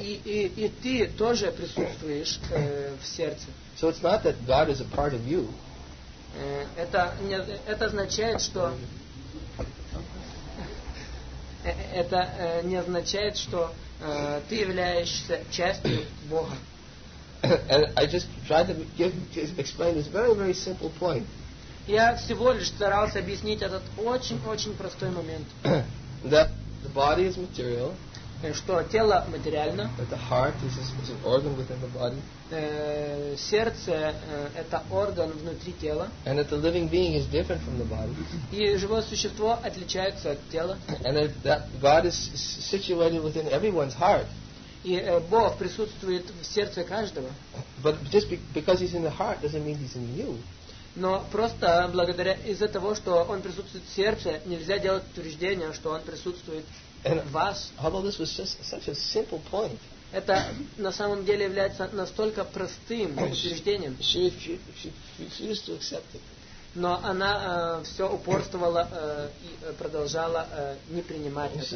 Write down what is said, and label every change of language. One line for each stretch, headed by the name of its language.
Russian: И ты тоже присутствуешь в сердце.
English: So it's not that God is a part of you.
Russian: Это означает, что это не означает, что ты являешься частью Бога.
English: And I just tried to explain this very, very simple point.
Russian: Я всего лишь старался объяснить этот очень-очень простой момент.
English: That the body is material.
Russian: Что тело материально.
English: That the heart is an organ within the body.
Russian: Сердце это орган внутри тела.
English: And that the living being is different from the body.
Russian: И живое существо отличается от тела.
English: And that God is situated within everyone's heart.
Russian: И Бог присутствует в сердце каждого.
English: But just because he's in the heart doesn't mean he's in you.
Russian: Но просто благодаря из-за того, что он присутствует в сердце, нельзя делать утверждение, что он присутствует в вас.
English: Although this was just such a simple point.
Russian: Это на самом деле является настолько простым утверждением.
English: She refused to accept it.
Russian: Но она все упорствовала и продолжала не принимать это.